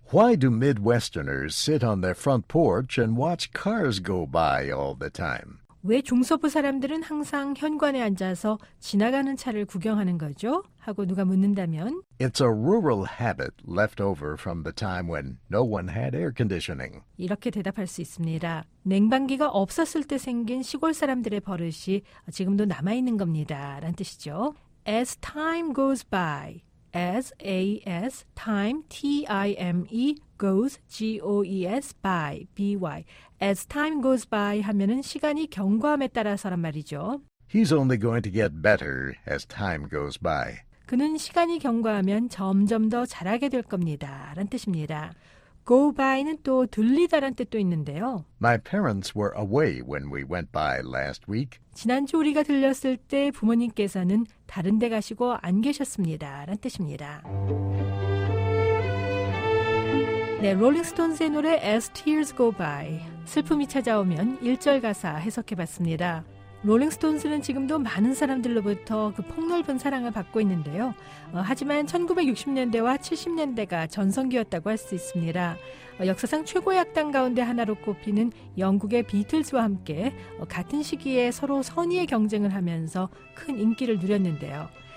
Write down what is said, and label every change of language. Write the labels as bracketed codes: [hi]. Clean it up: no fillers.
[en] Why do Midwesterners sit on their front porch and watch cars go by all the time? [ko] 왜 중서부 사람들은 항상 현관에 앉아서 지나가는 차를 구경하는 거죠? 하고 누가 묻는다면 [en] It's a rural habit left over from the time when no one had air conditioning. [ko] 이렇게 대답할 수 있습니다. 냉방기가 없었을 때 생긴 시골 사람들의 버릇이 지금도 남아있는 겁니다. 라는 뜻이죠. [en] As time goes by, as time, T-I-M-E, goes, G-O-E-S, by, B-Y. As time goes by [ko] 하면은 시간이 경과함에 따라서란 말이죠. [en] He's only going to get better as time goes by. [ko] 그는 시간이 경과하면 점점 더 잘하게 될 겁니다. 라는 뜻입니다. Go by는 또 들리다란 뜻도 있는데요. [en] My parents were away when we went by last week. [ko] 지난주 우리가 들렸을 때 부모님께서는 다른 데 가시고 안 계셨습니다. 라는 뜻입니다. 네, 롤링스톤스의 노래 As Tears Go By. 슬픔이 찾아오면 1절 가사 해석해봤습니다. 롤링스톤스는 지금도 많은 사람들로부터 그 폭넓은 사랑을 받고 있는데요. 하지만 1960년대와 70년대가 전성기였다고 할 수 있습니다. 역사상 최고의 악단 가운데 하나로 꼽히는 영국의 비틀즈와 함께 같은 시기에 서로 선의의 경쟁을 하면서 큰 인기를 누렸는데요.